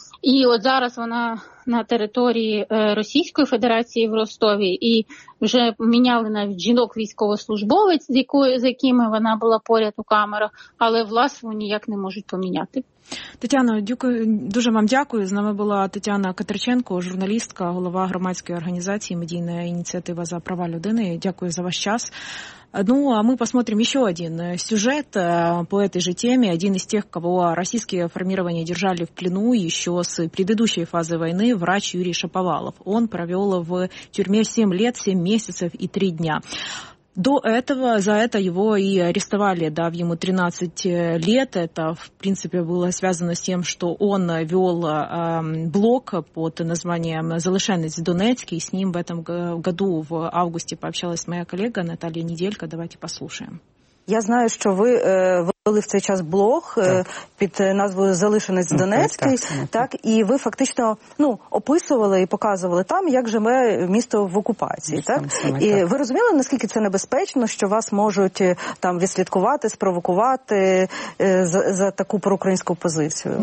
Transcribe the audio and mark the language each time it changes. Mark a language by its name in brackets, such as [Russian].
[Ukrainian] І от зараз вона на території Російської Федерації в Ростові, і вже міняли навіть жінок військовослужбовець, з якими вона була поряд у камерах, але власне ніяк не можуть поміняти. Тетяно, дуже вам дякую. З нами була Тетяна Катерченко, журналістка, голова громадської організації «Медійна ініціатива за права людини». Дякую за ваш час. [Russian] Ну, а мы посмотрим еще один сюжет по этой же теме. Один из тех, кого российские формирования держали в плену еще с предыдущей фазы войны, врач Юрий Шаповалов. Он провел в тюрьме 7 лет, 7 месяцев и 3 дня. До этого за это его и арестовали, дав ему 13 лет. Это, в принципе, было связано с тем, что он вел блог под названием «Залишенец Донецкий». С ним в этом году, в августе, пообщалась моя коллега Наталья Неделько. Давайте послушаем. [Ukrainian] Я знаю, що ви вели в цей час блог під назвою «Залишенець Донецький», так, і ви фактично описували і показували там, як живе місто в окупації. Так? І ви розуміли, наскільки це небезпечно, що вас можуть там відслідкувати, спровокувати за таку проукраїнську позицію?